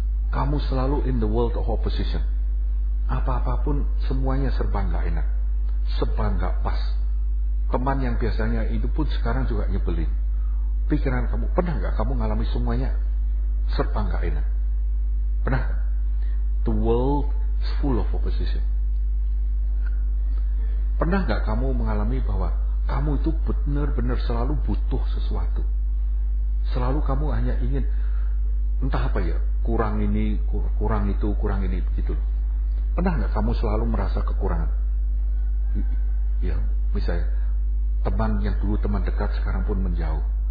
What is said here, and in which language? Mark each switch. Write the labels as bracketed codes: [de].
[id] Kamu selalu [en] in the world of opposition. [id] Apa-apapun semuanya serba enggak enak, serba enggak pas. Teman yang biasanya itu pun sekarang juga nyebelin. Pikiran kamu, pernah enggak kamu mengalami semuanya serba enggak enak? Pernah? [en] The world is full of opposition. [id] Pernah enggak kamu mengalami bahwa kamu itu benar-benar selalu butuh sesuatu? Selalu kamu hanya ingin entah apa ya, kurang ini, kurang itu, kurang ini, begitu. Pernah enggak kamu selalu merasa kekurangan? Ya, misalnya teman yang dulu teman dekat sekarang pun menjauh.